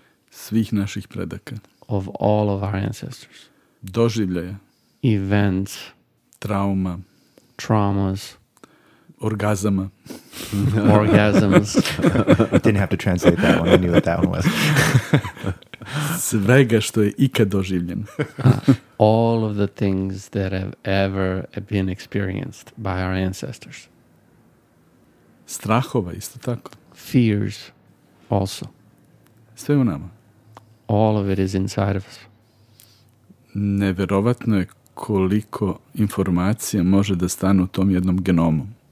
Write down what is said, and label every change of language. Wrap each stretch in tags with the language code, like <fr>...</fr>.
<sr>Svih naših predaka.</sr> <en>Of all of our ancestors.</en> <sr>Doživljaja.</sr> <en>Events.</en> <sr>Trauma.</sr> <en>Traumas.</en> <sr>Orgazama.</sr> <en>Orgasms. I didn't have to translate that one. I knew what that one was.</en> <sr>Svega što je ikad doživljen.</sr> <en>All of the things that have ever been experienced by our ancestors.</en> <sr>Strahova isto tako.</sr> <en>Fears also.</en> <sr>Sve u nama.</sr> <en>All of it is inside of us.</en> <sr>Neverovatno je koliko informacija može da stane u tom jednom genomu.</sr>